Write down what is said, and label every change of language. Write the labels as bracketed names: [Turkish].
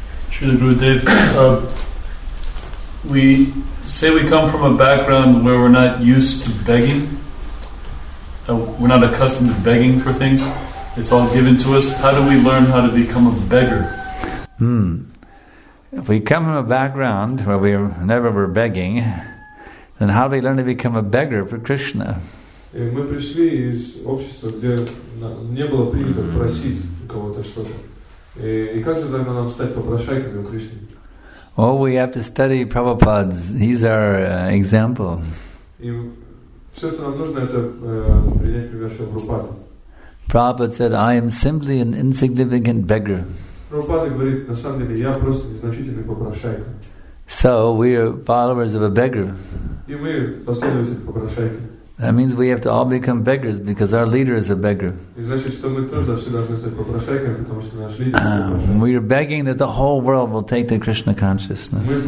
[English] Srila Gurudev, we say we come from a background where we're not used to begging. We're not accustomed to begging for things. It's all given to us. How do we learn how to become a beggar? If we come from a background where we never were begging, then how do we learn to become a beggar for Krishna? [Russian] Мы пришли из общества, где не было принято просить у кого-то что-то. И как же тогда нам стать попрошайками у Кришны? [English] Oh, we have to study Prabhupada's. He's our example. [Russian] И все, что нам нужно, это принять пример Прабхупады. [English] Prabhupada said, I am simply an insignificant beggar. [Russian] Прабхупада говорит, на самом деле, я просто незначительный попрошайка. [English] So we are followers of a beggar. [Russian] И мы последователи попрошайки. [English] That means we have to all become beggars because our leader is a beggar. We are begging that the whole world will take to Krishna consciousness.